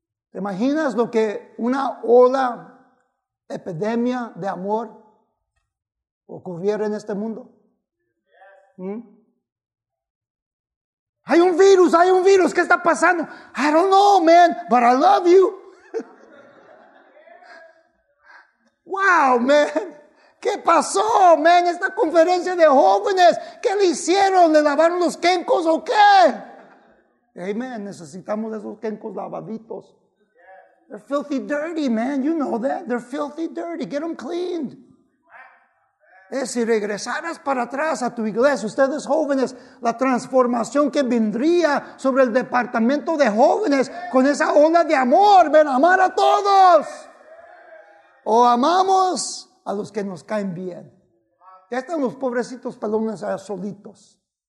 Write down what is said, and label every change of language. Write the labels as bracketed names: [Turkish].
[Spanish] ¿Te imaginas lo que una ola, epidemia de amor ocurriera en este mundo? ¿Mm? Hay un virus, ¿qué está pasando? [English] I don't know, man, but I love you. Wow, man, [Spanish] ¿qué pasó, man? Esta conferencia de jóvenes, ¿qué le hicieron? ¿Le lavaron los quencos o qué? [English] Hey, man, [Spanish] necesitamos esos quencos lavaditos. [English] They're filthy dirty, man, you know that. They're filthy dirty, get them cleaned. [Spanish] Si regresaras para atrás a tu iglesia, ustedes jóvenes, la transformación que vendría sobre el departamento de jóvenes con esa onda de amor, ven, amar a todos. O amamos a los que nos caen bien. Ya están los pobrecitos pelones solitos.